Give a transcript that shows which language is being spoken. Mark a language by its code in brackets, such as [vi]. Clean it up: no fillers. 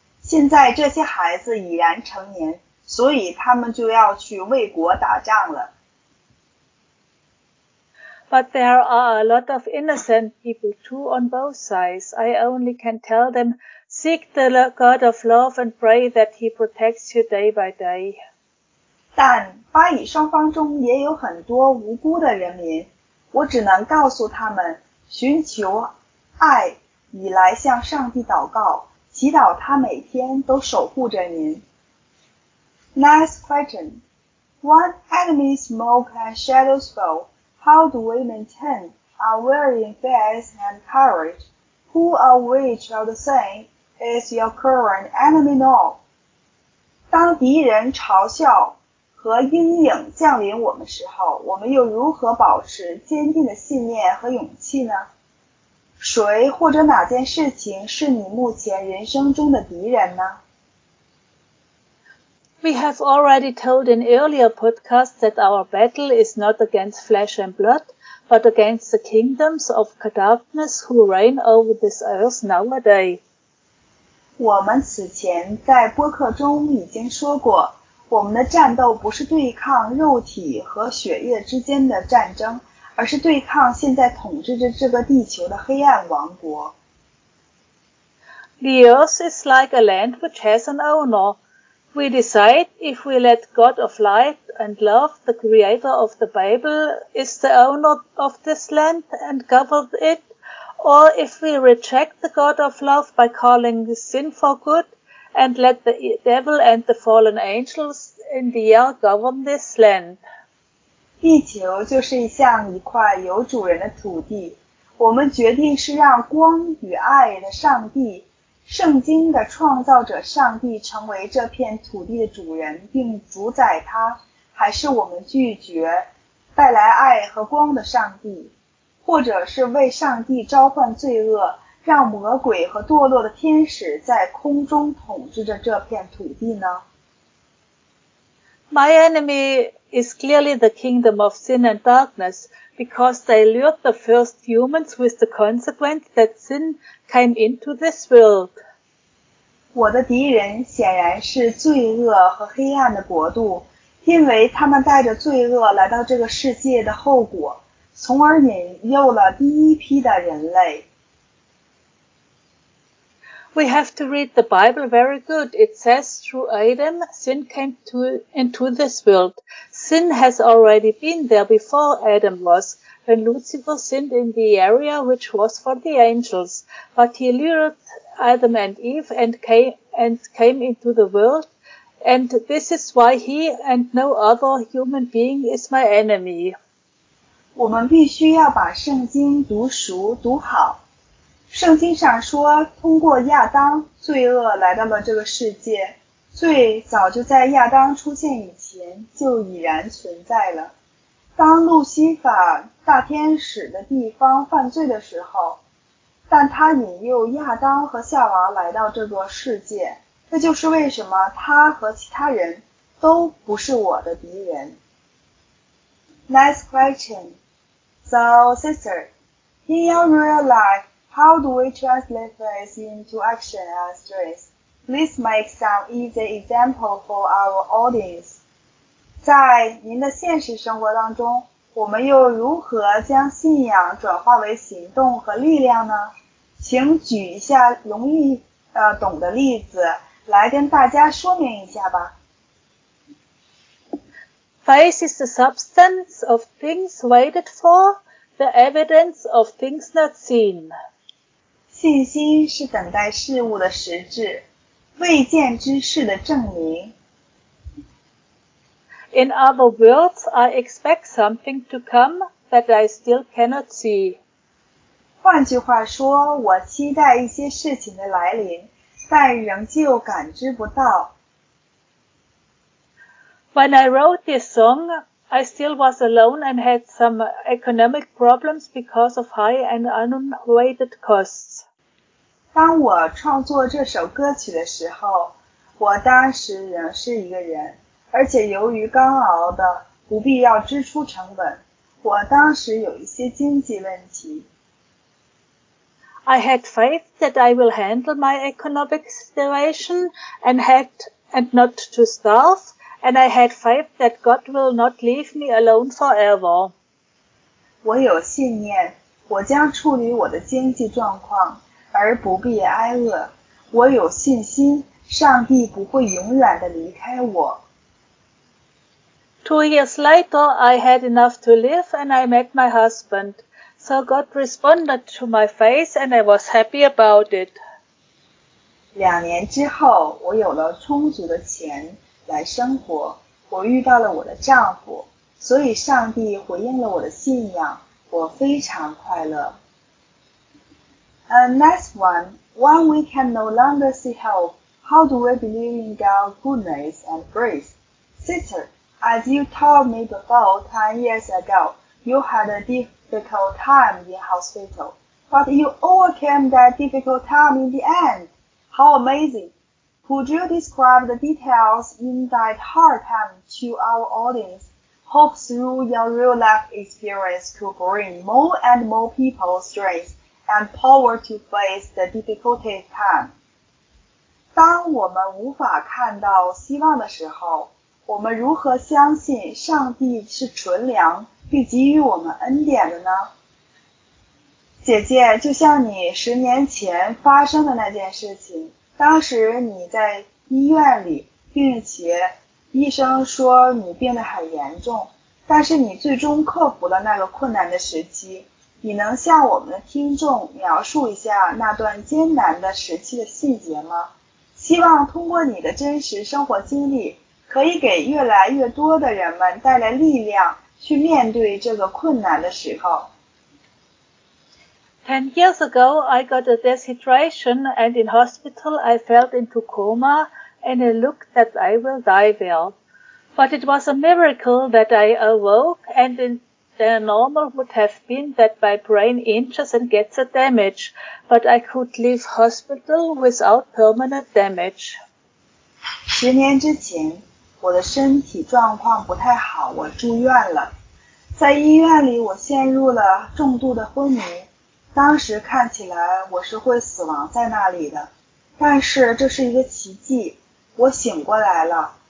[zh] 现在这些孩子已然成年，所以他们就要去为国打仗了。 [en] But there are a lot of innocent people too on both sides. I only can tell them, seek the God of love and pray that he protects you day by day. [zh] 但巴以双方中也有很多无辜的人民，我只能告诉他们寻求爱以来向上帝祷告，祈祷他每天都守护着您。 [en] Next question. When enemies smoke and shadows fall, how do we maintain our wearing face and courage? Who or which of the same is your current enemy now? [zh] 当敌人嘲笑和阴影降临我们时候，我们又如何保持坚定的信念和勇气呢？谁或者哪件事情是你目前人生中的敌人呢？ [en] We have already told in earlier podcasts that our battle is not against flesh and blood, but against the kingdoms of darkness who reign over this earth nowadays. [zh] 我们此前在播客中已经说过，我们的战斗不是对抗肉体和血液之间的战争，而是对抗现在统治着这个地球的黑暗王国。 [en] The earth is like a land which has an owner. We decide if we let God of light and love, the creator of the Bible, is the owner of this land and govern it, or if we reject the God of love by calling sin for good and let the devil and the fallen angels in the air govern this land. [zh] 地球就是像一块有主人的土地，我们决定是让光与爱的上帝，圣经的创造者上帝成为这片土地的主人并主宰它，还是我们拒绝带来爱和光的上帝，或者是为上帝召唤罪恶，让魔鬼和堕落的天使在空中统治着这片土地呢？ [en] My enemy is clearly the kingdom of sin and darkness because they lured the first humans with the consequence that sincame into this world. [zh] 我的敌人显然是罪恶和黑暗的国度，因为他们带着罪恶来到这个世界的后果，从而引诱了第一批的人类。 [en] We have to read the Bible very good. It says through Adam, sin came into this world. Sin has already been there before Adam was, when Lucifer sinned in the area which was for the angels. But he lured Adam and Eve and came into the world. And this is why he and no other human being is my enemy. [zh] 我们必须要把圣经读熟读好。圣经上说，通过亚当，罪恶来到了这个世界。罪早就在亚当出现以前就已然存在了。当路西法大天使的地方犯罪的时候，但他引诱亚当和夏娃来到这个世界，这就是为什么他和其他人都不是我的敌人。 [en] Next question. So, sister, in your real life,How do we translate this into action and stress? Please make some easy example for our audience. [zh] 在您的现实生活当中，我们又如何将信仰转化为行动和力量呢？请举一下容易懂的例子来跟大家说明一下吧。 [en] Faith is the substance of things waited for, the evidence of things not seen. [zh] 信心是等待事物的实质，未见之事的证明。 [en] In other words, I expect something to come that I still cannot see. [zh] 换句话说，我期待一些事情的来临，但仍旧感知不到。 [en] When I wrote this song, I still was alone and had some economic problems because of high and unawaited costs. [zh] 当我创作这首歌曲的时候，我当时仍是一个人，而且由于刚熬的不必要支出成本，我当时有一些经济问题。 [en] I had faith that I will handle my economic situation and not to starve. And I had faith that God will not leave me alone forever. [zh] 我有信念，我将处理我的经济状况，而不必挨饿。我有信心，上帝不会永远地离开我。 [en] 2 years later, I had enough to live and I met my husband. So God responded to my faith and I was happy about it. [zh] 2年之后，我有了充足的钱。来生活，我遇到了我的丈夫，所以上帝回应了我的信仰，我非常快乐。 [en] Next one, when we can no longer see help, how do we believe in God's goodness and grace? Sister, as you told me before 10 years ago, you had a difficult time in hospital, but you overcame that difficult time in the end. How amazing! Could you describe the details in that hard time to our audience? Hope through your real life experience to bring more and more people strength and power to face the difficult time. [zh] 当我们无法看到希望的时候，我们如何相信上帝是纯良并给予我们恩典的呢？姐姐，就像你10年前发生的那件事情。当时你在医院里，并且医生说你病得很严重，但是你最终克服了那个困难的时期。你能向我们的听众描述一下那段艰难的时期的细节吗？希望通过你的真实生活经历，可以给越来越多的人们带来力量，去面对这个困难的时候。 [en] 10 years ago, I got a dehydration and in hospital I fell into coma and I looked that I will die there. But it was a miracle that I awoke and the normal would have been that my brain injures and gets a damage, but I could leave hospital without permanent damage. [zh] 10年之前，我的身体状况不太好，我住院了。在医院里，我陷入了重度的昏迷。当时看起来我是会死亡在那里的，但是这是一个奇迹，我醒过来了。